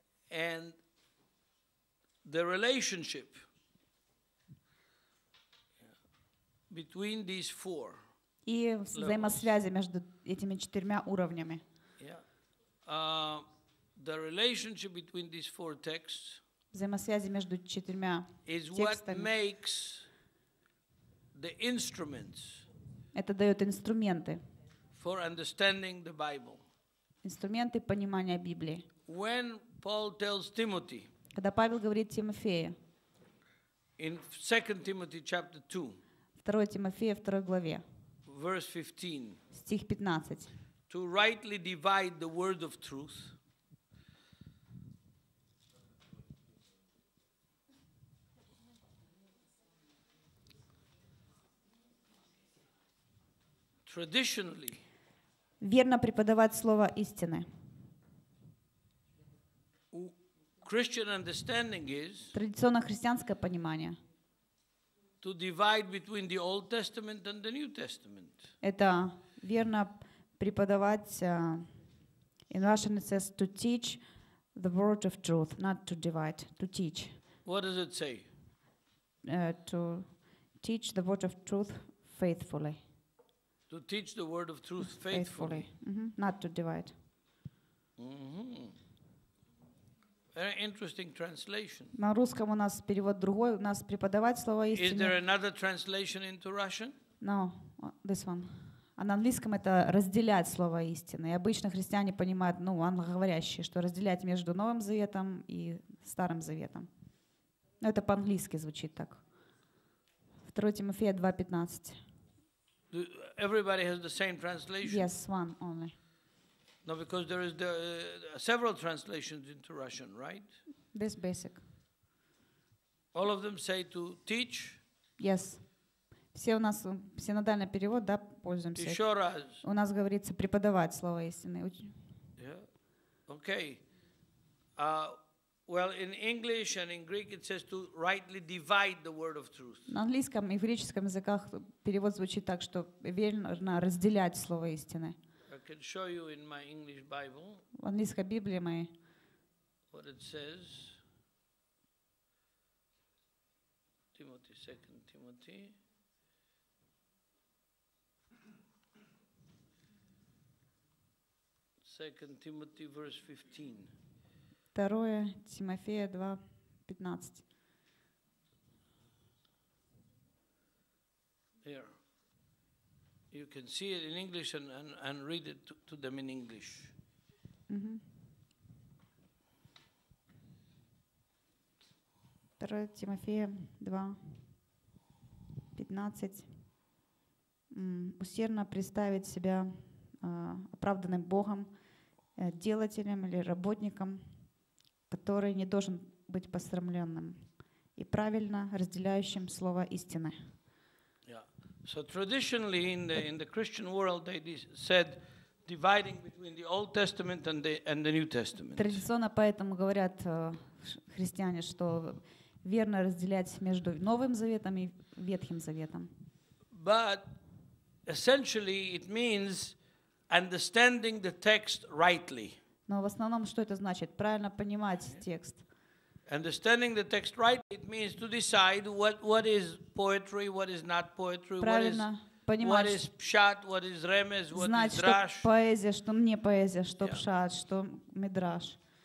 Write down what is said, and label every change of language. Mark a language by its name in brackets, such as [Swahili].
[English] And the relationship between these four. [Ukrainian] І взаємозв'язки між цими чотирма рівнями. [English] The relationship between these four texts. [Ukrainian] Взаємозв'язки між чотирма текстами. [English] Is what makes the instruments. [Russian] Это даёт инструменты. [English] For understanding the Bible. [Russian] Инструменты понимания Библии. [English] When Paul tells Timothy. [Russian] Когда Павел говорит Тимофею. [English] In 2 Timothy chapter 2. [Russian] 2 Тимофея 2 главе. [English] Verse 15. [Russian] Стих 15. [English] To rightly divide the word of truth. Traditionally. [Russian] Верно преподавать слово истины. [English] Christian understanding is. [Russian] Традиционно христианское понимание. [English] To divide between the Old Testament and the New Testament. [Russian] Это верно преподавать [English] in Russian it says to teach the word of truth, not to divide, to teach. What does it say? To teach the word of truth faithfully. To teach the word of truth faithfully. Mm-hmm. Not to divide. Mm-hmm. Very interesting translation. [Russian] На русском у нас перевод другой. У нас преподавать слово истины. [English] Is there another translation into Russian? No, this one. [Russian] А на английском это разделять слово истины. И обычно христиане понимают, ну, англоговорящие, что разделять между Новым Заветом и Старым Заветом. Но это по-английски звучит так. 2 Тимофея 2:15. [English] Everybody has the same translation. Yes, one only. No, because there is the several translations into Russian, right? This basic. All of them say to teach. Yes. [Russian] Все у нас синодальный перевод, да, пользуемся. Еще раз. У нас говорится преподавать слово истины. [English] Yeah. Okay. Well, in English and in Greek it says to rightly divide the word of truth. [Russian] На английском и в греческом языках перевод звучит так, что верно разделять слово истины. [English] I can show you in my English Bible. [Russian] В английской Библии моей. [English] What it says. Timothy, 2 Timothy. Second Timothy verse 15. [Russian] 2 Тимофея 2:15. [English] Here. You can see it in English and read it to them in English. Mm-hmm. [Russian] 2 Тимофея 2:15. Усердно представить себя оправданным Богом, делателем или работником, который не должен быть посрамленным и правильно разделяющим слово истины. [English] Yeah. So traditionally in the Christian world they said dividing between the Old Testament and the New Testament. [Russian] Традиционно поэтому говорят христиане, что верно разделять между Новым Заветом и Ветхим Заветом. [English] But essentially it means understanding the text rightly. [Russian] Но в основном что это значит? Правильно понимать текст. [English] Understanding the text right, it means to decide what is poetry, what is not poetry, what is pshat, what is remez, what [Russian] знать, [English] is drash. [Russian] Что поэзия, что не поэзия, что пшат, что медраш.